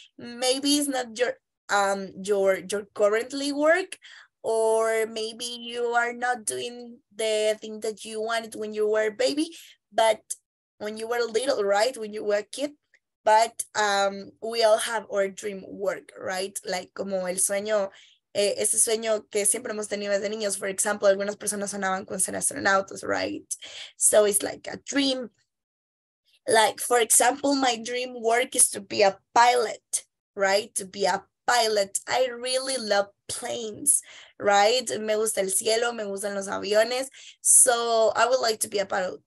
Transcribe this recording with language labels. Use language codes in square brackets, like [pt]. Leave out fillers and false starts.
[en] Maybe it's not your currently work, or maybe you are not doing the thing that you wanted when you were a baby, but when you were little, right? When you were a kid, but we all have our dream work, right? [es] Like como el sueño, ese sueño que siempre hemos tenido desde niños. [en] For example, [es] algunas personas soñaban con ser astronautas, [en] right? So it's like a dream. Like for example, my dream work is to be a pilot, right? To be a pilot. I really love planes, right? [es] Me gusta el cielo, me gustan los aviones. [en] So I would like to be a pilot.